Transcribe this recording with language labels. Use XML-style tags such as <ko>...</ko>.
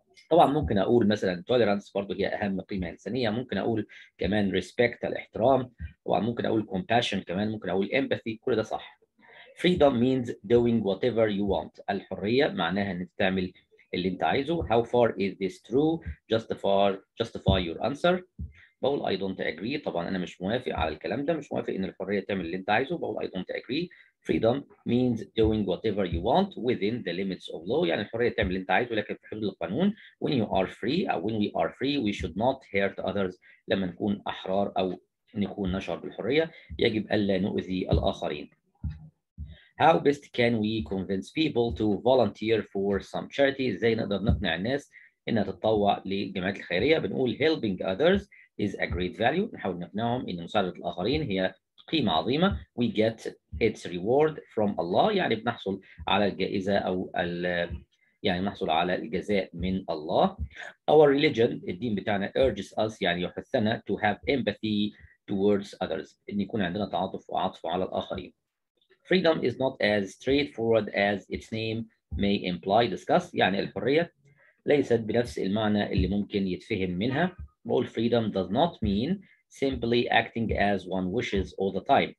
<ar>طبعا ممكن أقول مثلا tolerance برضو هي أهم قيمة إنسانية، ممكن أقول كمان respect الاحترام، طبعا ممكن أقول compassion، كمان ممكن أقول empathy، كل ده صح.</ar> <en>Freedom means doing whatever you want</en> <ar>الحرية معناها إنك تعمل اللي انت عايزه.</ar> <en>How far is this true? Justify your answer.</en> <ar>بقول</ar> <en>I don't agree.</en> <ar>طبعا انا مش موافق على الكلام ده، مش موافق ان الحريه تعمل اللي انت عايزه. بقول</ar> <en>I don't agree. Freedom means doing whatever you want within the limits of law.</en> <ar>يعني الحريه تعمل اللي انت عايزه لكن في حدود القانون.</ar> <en>When you are free or when we are free, we should not hurt others.</en> <ar>لما نكون احرار او نكون نشعر بالحريه، يجب الا نؤذي الاخرين.</ar> <en>How best can we convince people to volunteer for some charity?</en> <ar>ازاي نقدر نقنع الناس انها تتطوع للجمعيات الخيريه؟ بنقول</ar> <en>helping others is a great value،</en> <ar>نحاول نقنعهم ان مساعده الاخرين هي قيمه عظيمه.</ar> <en>We get its reward from Allah،</en> <ar>يعني بنحصل على الجائزه او يعني نحصل على الجزاء من الله.</ar> <en>Our religion</en> <ar>الدين بتاعنا</ar> <en>urges us</en> <ar>يعني يحثنا</ar> <en>to have empathy towards others،</en> <ar>ان يكون عندنا تعاطف وعطف على الاخرين.</ar> <en>Freedom is not as straightforward as its name may imply. Discuss</en> <ar>يعني الحرية ليست بنفس المعنى اللي ممكن يتفهم منها. بقول</ar> <en>freedom does not mean simply acting as one wishes all the time.</en>